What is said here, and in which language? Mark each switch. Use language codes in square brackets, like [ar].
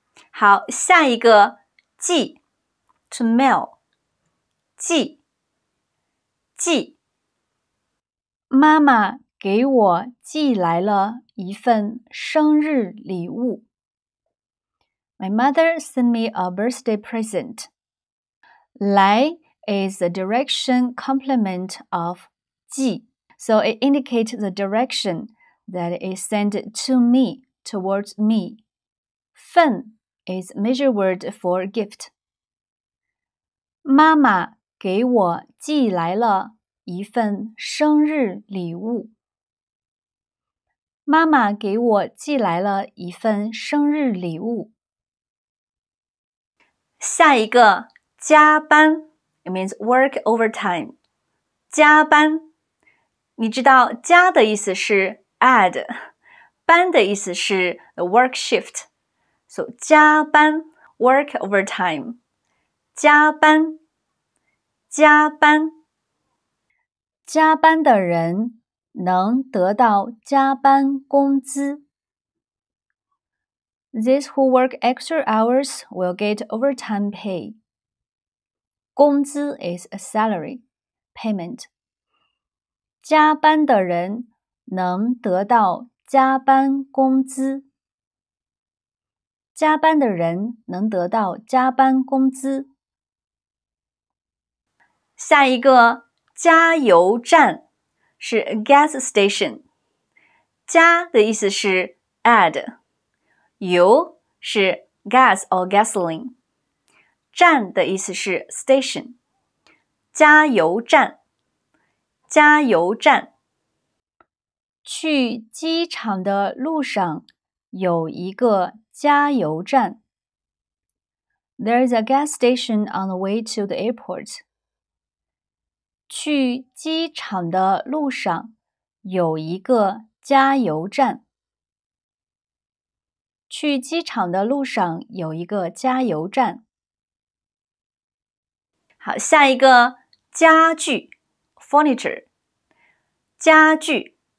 [zh] 好，下一个寄 to mail, 寄寄。妈妈给我寄来了一份生日礼物。 [en] My mother sent me a birthday present. 来 is a direction complement of 寄, so it indicates the direction that is sent to me, towards me. 份 is a measure word for gift. [zh] 妈妈给我寄来了一份生日礼物。妈妈给我寄来了一份生日礼物。 [en] 下一个加班 ,it means work overtime. [zh] 加班你知道加的意思是 add, 班的意思是 the work shift. [en] So 加班 ,work overtime. 加班加班 [zh] 加班的人能得到加班工资。 [en] These who work extra hours will get overtime pay. 工资 is a salary, payment. [zh] 加班的人能得到加班工资。加班的人能得到加班工资。下一个，加油站是 gas station. 加的意思是 add. 油是 gas or gasoline. 站的意思是 station. 加油站加油站。去机场的路上有一个加油站。 [en] There's a gas station on the way to the airport. [zh] 去机场的路上有一个加油站。去机场的路上有一个加油站。好，下一个家具 furniture, 家具。